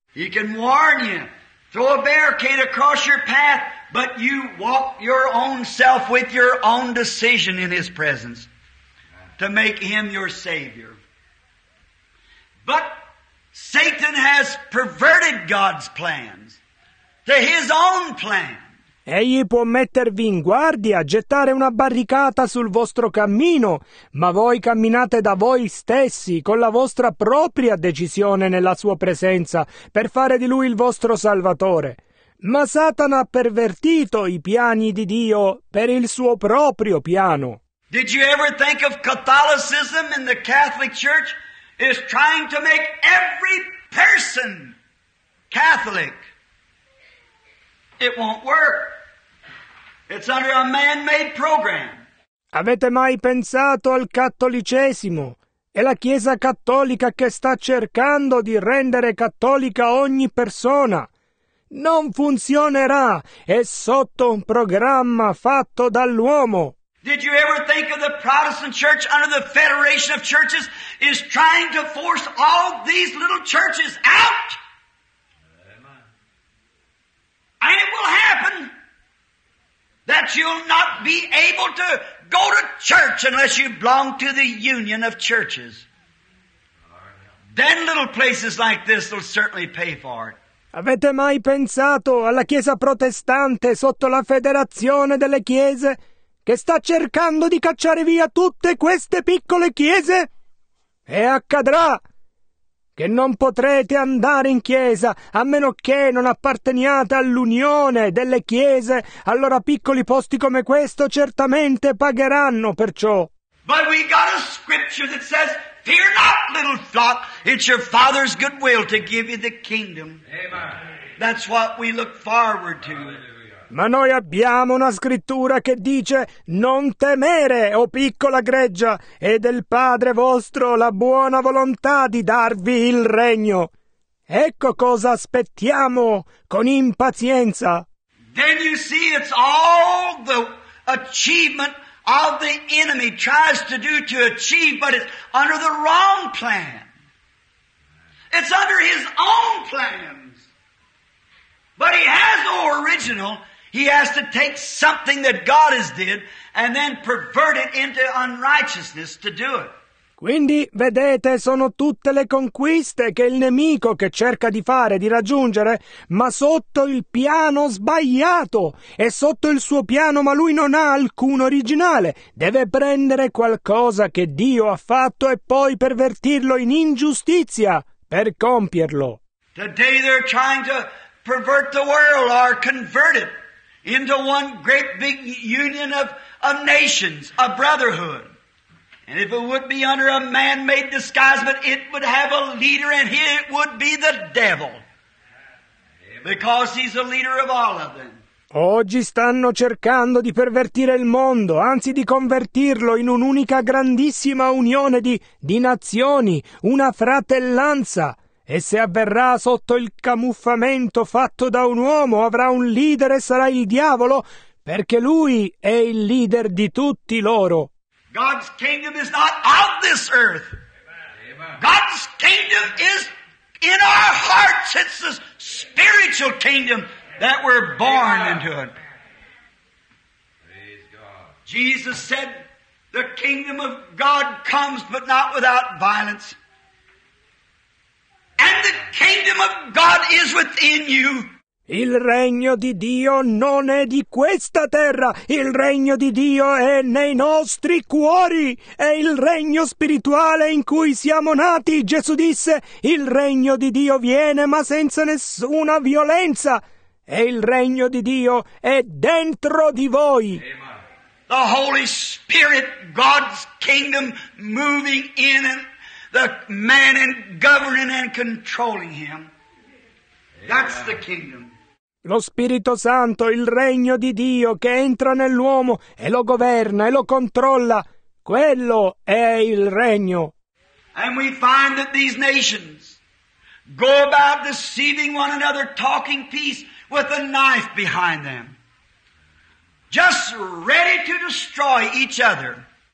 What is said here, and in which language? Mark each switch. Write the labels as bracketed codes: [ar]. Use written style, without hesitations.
[en] He can warn you, throw a barricade across your path, but you walk your own self with your own decision in his presence to make him your savior. But Satan has perverted God's plans to his own plan. [it] Egli può mettervi in guardia, gettare una barricata sul vostro cammino, ma voi camminate da voi stessi, con la vostra propria decisione nella sua presenza, per fare di lui il vostro salvatore. Ma Satana ha pervertito i piani di Dio per il suo proprio piano. [en] Did you ever think of Catholicism in the Catholic Church is trying to make every person Catholic? It won't work. It's under a man-made program. [it] Avete mai pensato al cattolicesimo? È la Chiesa cattolica che sta cercando di rendere cattolica ogni persona. Non funzionerà. È sotto un programma fatto dall'uomo. [en] Did you ever think of the Protestant church under the Federation of Churches is trying to force all these little churches out? Amen. And it will happen that you'll not be able to go to church unless you belong to the Union of Churches. Then little places like this will certainly pay for it. [it] Avete mai pensato alla Chiesa protestante sotto la Federazione delle Chiese che sta cercando di cacciare via tutte queste piccole chiese? E accadrà che non potrete andare in chiesa a meno che non apparteniate all'Unione delle Chiese. Allora piccoli posti come questo certamente pagheranno per ciò. [en] But we got a scripture that says, fear not, little flock. It's your Father's good will to give you the kingdom. Amen. That's what we look forward to. [it] Ma noi abbiamo una scrittura che dice, non temere, o piccola greggia, è del Padre vostro la buona volontà di darvi il regno. Ecco cosa aspettiamo con impazienza. [en] Then you see it's all the achievement all the enemy tries to do to achieve, but it's under the wrong plan. It's under his own plans. But he has no original. He has to take something that God has did and then pervert it into unrighteousness to do it. [it] Quindi, vedete, sono tutte le conquiste che il nemico che cerca di fare, di raggiungere, ma sotto il piano sbagliato, è sotto il suo piano, ma lui non ha alcun originale. Deve prendere qualcosa che Dio ha fatto e poi pervertirlo in ingiustizia per compierlo. [en] Today they're trying to pervert the world or convert it into one great big union of nations, a brotherhood. And if it would be under a man-made disguisement, it would have a leader, and he would be the devil. Because he's the leader of all of them. [it] Oggi stanno cercando di pervertire il mondo, anzi di convertirlo in un'unica grandissima unione di nazioni, una fratellanza. E se avverrà sotto il camuffamento fatto da un uomo, avrà un leader e sarà il diavolo, perché lui è il leader di tutti loro. [en] God's kingdom is not of this earth. Amen. God's kingdom is in our hearts. It's the spiritual kingdom that we're born into. Praise God. Jesus said, the kingdom of God comes, but not without violence. And the kingdom of God is within you. [it] Il regno di Dio non è di questa terra, il regno di Dio è nei nostri cuori, è il regno spirituale in cui siamo nati. Gesù disse, il regno di Dio viene ma senza nessuna violenza, e il regno di Dio è dentro di voi. [en] Amen. The Holy Spirit, God's kingdom, moving in and the man and governing and controlling him. That's the kingdom. [it] Lo Spirito Santo, il regno di Dio che entra nell'uomo e lo governa e lo controlla, quello è il regno. [en] And we find that these nations go about deceiving one another, talking peace with a knife behind them, just ready to destroy each other.